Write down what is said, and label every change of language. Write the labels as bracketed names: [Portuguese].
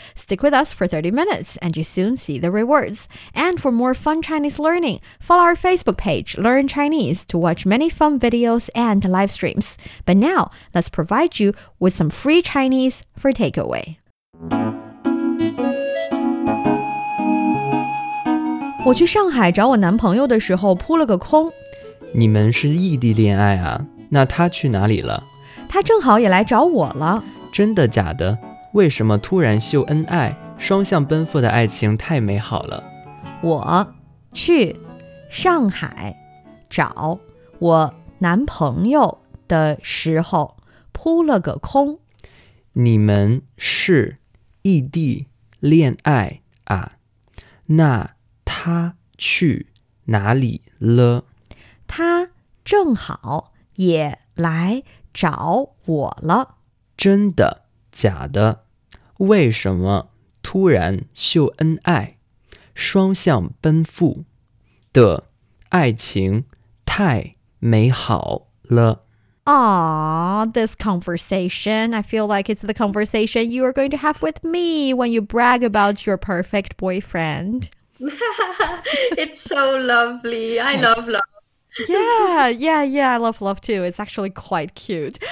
[English] Stick with us for 30 minutes and you soon see the rewards. And for more fun Chinese learning, follow our Facebook page, Learn Chinese, to watch many fun videos and live streams. But now, let's provide you with some free Chinese for takeaway. [Chinese] 我去上海找我男朋友的时候扑了个空。你们是异地恋爱啊？那他去哪里了？他正好也来找我了。真的假的？为什么突然秀恩爱？双向奔赴的爱情太美好了。我去上海找我男朋友的时候扑了个空。你们是异地恋爱啊？那他去哪里了？他正好也来找我了。真的假的？为什么突然秀恩爱？双向奔赴的爱情太美好了。 [English] Aww, this conversation, I feel like it's the conversation you are going to have with me when you brag about your perfect boyfriend. It's so lovely. I love love. Yeah, I love too. It's actually quite cute.